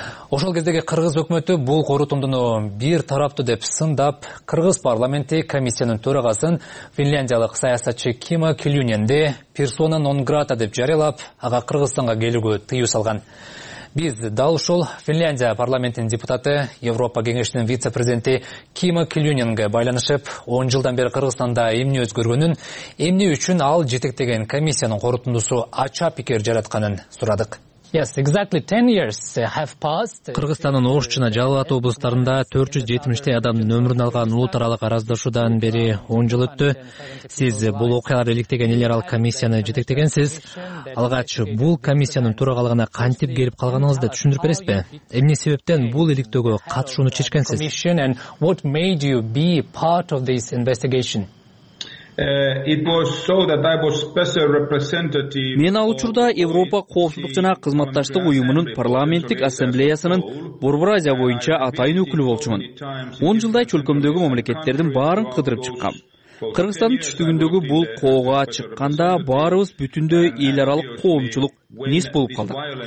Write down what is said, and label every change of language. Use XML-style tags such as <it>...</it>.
<ky>Ошол кездеги кыргыз өкмөтү бул корутундуну бир тараптуу деп сындап, кыргыз парламенти комиссиянын төрагасын финляндиялык саясатчы Кима Килюненди персона нон грата деп жарыялап, ага Кыргызстанга келүүгө тыюу салган. Биз дал ушул Финляндия парламентинин депутаты, Европа кеңешинин вице-президенти Кима Килюненге байланышып, 10 жылдан бери Кыргызстанда эмне өзгөргөнүн, эмне үчүн ал жетектеген комиссиянын корутундусу ача пикир жаратканын сурадык.</ky> <en>Yes, exactly 10 years have passed.</en> <ky>Кыргызстандын Ош жана Жалал Абад облустарында 470 адамдын өмүрүн алган улутаралык араздашуудан бери 10 жыл өттү. Сиз бул окуялар иликтеген эл аралык комиссияны жетектегенсиз. Алгач бул комиссиянын төрагалыгына кантип келип калганыңызды түшүндүрүп бересизби? Эмне себептен бул иликтөөгө катышууну чечкенсиз?</ky> <en>What made you be part of this investigation?</en> <ky>Мен ал учурда Европа коопсуздук жана кызматташтык уюмунун парламенттик ассамблеясынын Борбор Азия боюнча атайын өкүлү болчумун. 10 жылдай чөлкөмдөгү мамлекеттердин баарын кыдырып чыккам. Кыргызстандын түштүгүндөгү бул кооуга чыкканда баарыбыз бүтүндөй эл аралык коомчулук низ болуп калдык.</ky>